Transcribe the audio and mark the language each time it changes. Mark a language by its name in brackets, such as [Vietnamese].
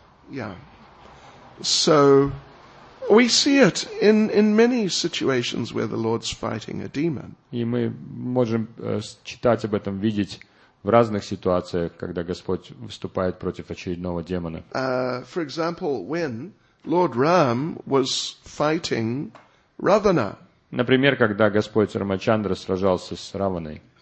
[English] Yeah. So we see it in many situations where the Lord's fighting a demon. [Russian] И мы можем читать об этом, видеть. В разных ситуациях, когда Господь выступает против очередного демона. [English] For example, when Lord Ram was fighting Ravana. [Russian] Например, когда Господь Рамачандра сражался с Раваной.